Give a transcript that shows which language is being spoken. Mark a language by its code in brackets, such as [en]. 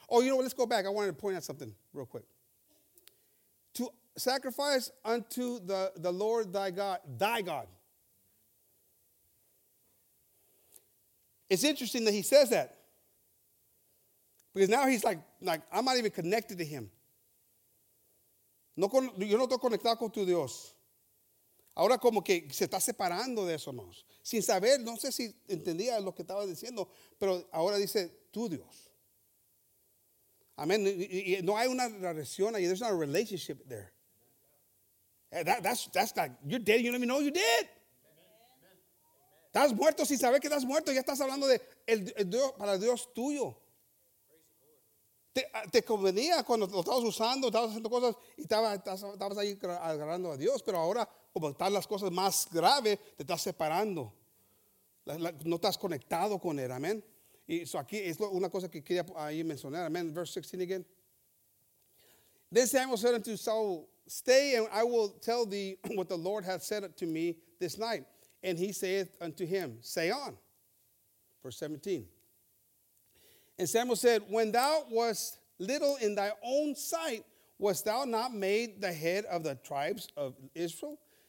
[en] Oh, you know what? Let's go back. I wanted to point out something real quick. To sacrifice unto the Lord thy God. It's interesting that he says that. Because now he's like I'm not even connected to him. [es] Yo no estoy conectado con tu Dios. Ahora como que se está separando de eso, hermanos. Sin saber, no sé si entendía lo que estaba diciendo, pero ahora dice tu Dios. Amén. Y no hay una relación ahí. [en] There's not a relationship there. That's like, you're dead, you don't even know you're dead. [es] Estás muerto sin saber que estás muerto. Ya estás hablando de el Dios, para Dios tuyo. Te convenía cuando lo estabas usando, estabas haciendo cosas y estabas ahí agarrando a Dios. Pero ahora, como están las cosas más graves, te estás separando. No estás conectado con él. Amén. Y eso aquí es una cosa que quería ahí mencionar. [en] Amén. Verse 16 again. Then Samuel said unto Saul, stay, and I will tell thee what the Lord hath said to me this night. And he saith unto him, say on. Verse 17. And Samuel said, when thou wast little in thy own sight, wast thou not made the head of the tribes of Israel?